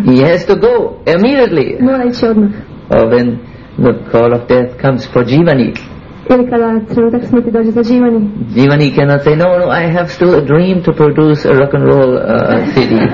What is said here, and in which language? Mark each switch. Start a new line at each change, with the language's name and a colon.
English: He has to go immediately.
Croatian: Mora ići odmah.
English: When the call of death comes for Jivani.
Croatian: Ili kada trenutak smrti dođe za Jivani.
English: Jivani cannot say, no, I have still a dream to produce a rock and roll CD.